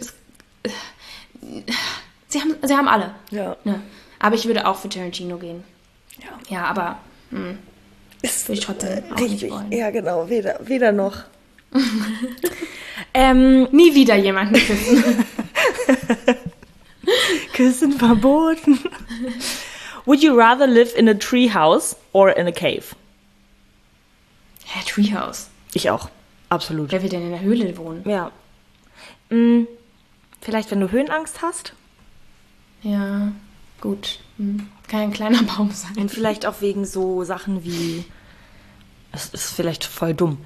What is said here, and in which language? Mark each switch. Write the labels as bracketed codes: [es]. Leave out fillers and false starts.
[de] Es, sie haben alle. Ja. Ne? Aber ich würde auch für Tarantino gehen. Ja. Ja, aber würde ich trotzdem auch richtig, nicht wollen. Ja, genau. Weder noch. nie wieder jemanden küssen. Küssen verboten. [en] Would you rather live in a treehouse or in a cave? [de] Ja, Treehouse. Ich auch. Absolut. Wer will denn in der Höhle wohnen? Ja. Vielleicht, wenn du Höhenangst hast? Ja, gut. Kann ein kleiner Baum sein. Und vielleicht auch wegen so Sachen wie... Es ist vielleicht voll dumm.